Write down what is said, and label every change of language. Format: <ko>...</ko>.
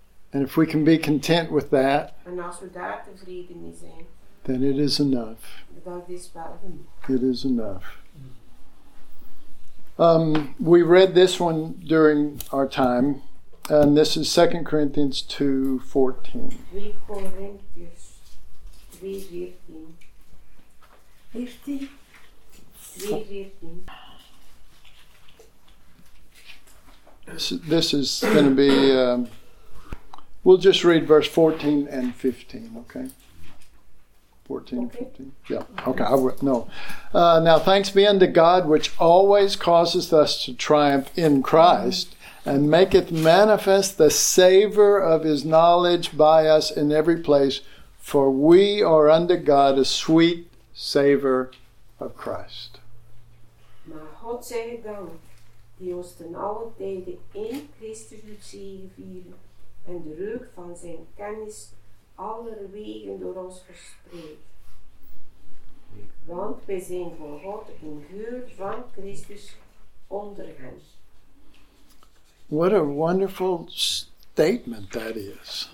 <en>And if we can be content with that.</en> <nl>En als we daar tevreden mee zijn.</nl> <en>Then it is enough.</en> <nl>Dat is wel genoeg.</nl> <en>It is enough. We read this one during our time. And this is 2 Corinthians 2:14. 2 Corinthians 2:14. 2:14. this is going to be, we'll just read verse 14 and 15, okay? 14 and 15. Yeah, okay. Now, thanks be unto God, which always causes us to triumph in Christ and maketh manifest the savor of his knowledge by us in every place, for we are unto God a sweet savor of Christ.</en> <nl>Maar God zij gedankt, die ons ten alle tijde in Christus doet zegevieren en de reuk van zijn kennis allerwegen door ons verspreidt. Want wij zijn voor God een geur van Christus onder hen.</nl> <en>What a wonderful statement that is.</en>